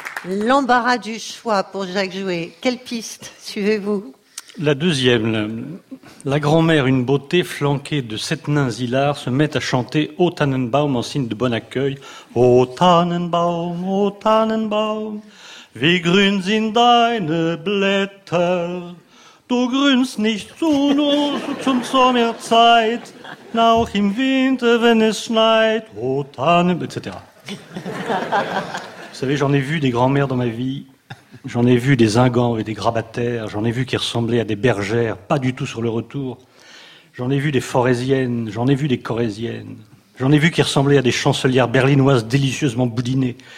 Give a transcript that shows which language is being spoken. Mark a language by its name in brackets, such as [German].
[French] L'embarras du choix pour Jacques Jouet. Quelle piste suivez-vous ? La deuxième. La grand-mère, une beauté flanquée de sept nains hilars, se met à chanter « Au Tannenbaum » en signe de bon accueil. [German] « Au Tannenbaum, au Tannenbaum, wie grün sind deine Blätter. Du grünst nicht zu nur zum Sommerzeit, auch im Winter, wenn es schneit. [French] Au Tannenbaum, etc. » Vous savez, j'en ai vu des grand-mères dans ma vie. J'en ai vu des zingans et des grabataires. J'en ai vu qui ressemblaient à des bergères, pas du tout sur le retour. J'en ai vu des forésiennes, j'en ai vu des corésiennes. J'en ai vu qui ressemblaient à des chancelières berlinoises délicieusement boudinées.